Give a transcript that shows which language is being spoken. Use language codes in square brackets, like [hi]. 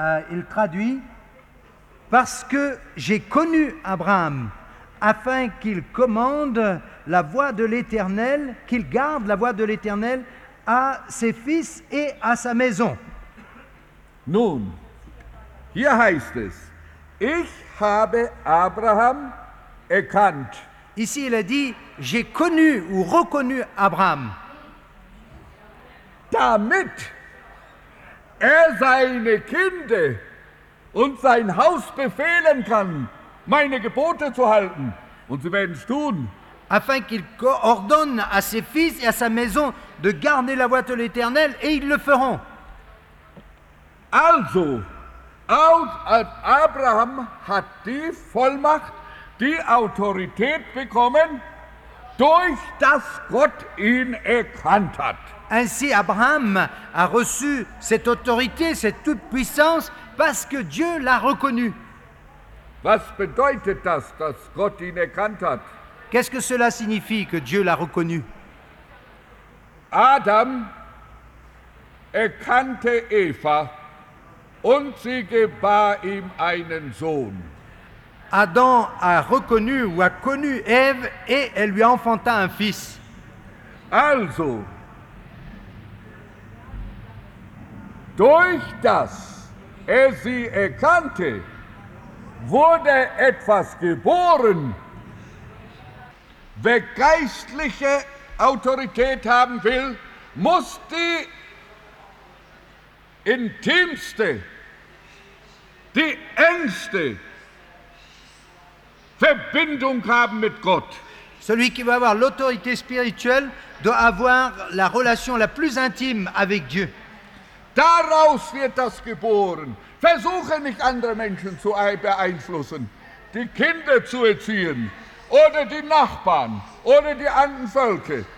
[fr] Il traduit: parce que j'ai connu Abraham, afin qu'il commande la voie de l'Éternel, qu'il garde la voie de l'Éternel à ses fils et à sa maison. [de] Nun, hier heißt es: ich habe Abraham erkannt. [fr] Ici, il a dit: j'ai connu ou reconnu Abraham. [de] Damit seine Kinder und sein Haus befehlen kann, meine Gebote zu halten. Und sie werden es tun. [fr] Afin qu'il ordonne à ses fils et à sa maison de garder la voie de l'Éternel, et ils le feront. [de] Also, Abraham hat die Vollmacht, die Autorität bekommen, durch das Gott ihn erkannt hat. [fr] Ainsi, Abraham a reçu cette autorité, cette toute-puissance, parce que Dieu l'a reconnu. [de] Was bedeutet das, dass Gott ihn erkannt hat? [fr] Qu'est-ce que cela signifie que Dieu l'a reconnu? [de] Adam erkannte Eva und sie gebar ihm einen Sohn. [fr] Adam a reconnu ou a connu Ève et elle lui enfanta un fils. [de] Also, durch das sie erkannte, wurde etwas geboren. Wer geistliche Autorität haben will, muss die Intimste, die engste Verbindung haben mit Gott. [fr] Celui qui veut avoir l'autorité spirituelle doit avoir la relation la plus intime avec Dieu. [de] Daraus wird das geboren. Versuche nicht andere Menschen zu beeinflussen, die Kinder zu erziehen oder die Nachbarn oder die anderen Völker.